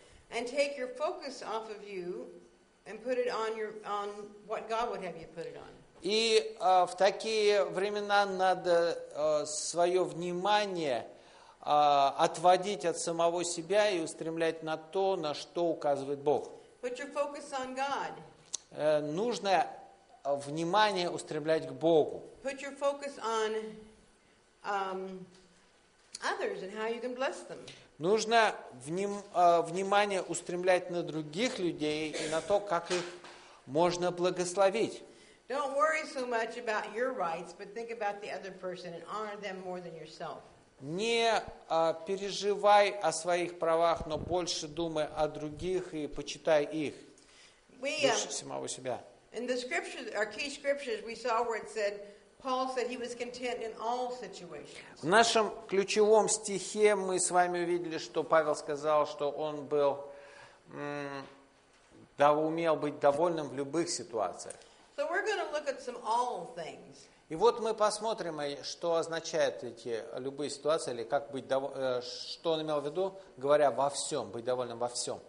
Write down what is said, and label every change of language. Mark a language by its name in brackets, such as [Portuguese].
[English] And take your focus off of you and put it on what God would have you put it on. [Russian] И в такие времена надо свое внимание отводить от самого себя и устремлять на то, на что указывает Бог. [English] Put your focus on God. [Russian] Нужно внимание устремлять к Богу. [English] Put your focus on, others and how you can bless them. [Russian] Нужно внимание устремлять на других людей и на то, как их можно благословить. [English] Don't worry so much about your rights, but think about the other person and honor them more than yourself. [Russian] Не переживай о своих правах, но больше думай о других и почитай их. Больше самого себя. [English] In the scriptures, our key scriptures, we saw where it said, Paul said he was content in all situations. [Russian] В нашем ключевом стихе мы с вами увидели, что Павел сказал, что он был, да, умел быть довольным в любых ситуациях. [English] So we're going to look at some all things. [Russian] И вот мы посмотрим, что означают эти любые ситуации, или как быть что он имел в виду, говоря во всем, быть довольным во всем.